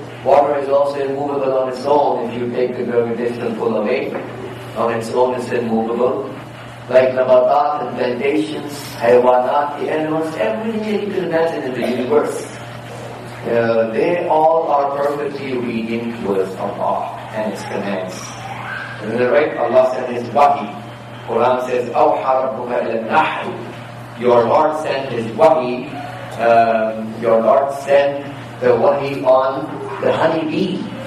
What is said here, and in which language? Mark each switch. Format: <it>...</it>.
<en>Water is also immovable on its own. If you take the gravitational pull away, on its own it's immovable. Like Nabatat and plantations, Haywanat, the animals, everything you can imagine in the universe, they all are perfectly obedient towards Allah and its commands. And then, right, Allah sent His Wahi. Quran says,</en> <ar>أَوْحَى رَبُّكَ إِلَى النَّحْلِ.</ar> <en>Your Lord sent His Wahi, your Lord sent the Wahi on the honeybee.</en>